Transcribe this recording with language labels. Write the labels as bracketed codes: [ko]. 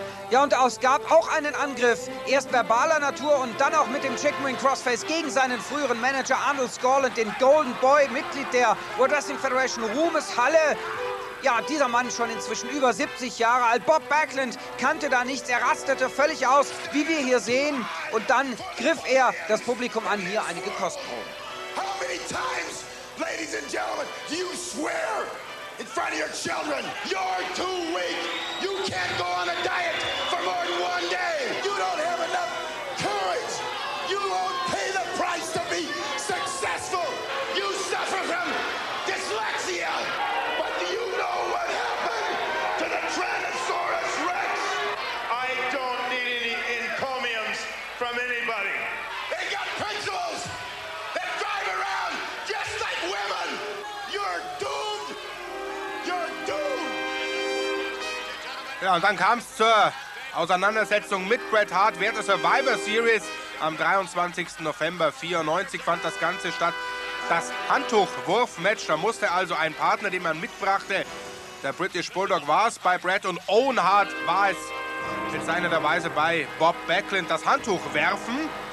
[de] Ja, und es gab auch einen Angriff, erst verbaler Natur und dann auch mit dem Chicken Wing Crossface gegen seinen früheren Manager Arnold Scorland, den Golden Boy, Mitglied der World Wrestling Federation Ruhmeshalle. Ja, dieser Mann schon inzwischen über 70 Jahre alt. Bob Backlund kannte da nichts, er rastete völlig aus, wie wir hier sehen. Und dann griff er das Publikum an, hier einige Kostproben. [en] three times, ladies and gentlemen, do you swear in front of your children, you're too weak, you can't go on a diet for more than one day, you don't have enough courage, you won't pay the price to be successful, you suffer from dyslexia, but do you know what happened to the Tyrannosaurus Rex? I don't need any encomiums from anybody. They got pencils that drive around just like women. You're doomed. You're doomed. [de] Ja, und dann kam's zur Auseinandersetzung mit Bret Hart während der Survivor Series. Am 23. November 1994 fand das Ganze statt. Das Handtuchwurf-Match, da musste also ein Partner, den man mitbrachte, der British Bulldog war es bei Bret und Owen Hart war es mit seiner der Weise bei Bob Backlund, das Handtuch werfen.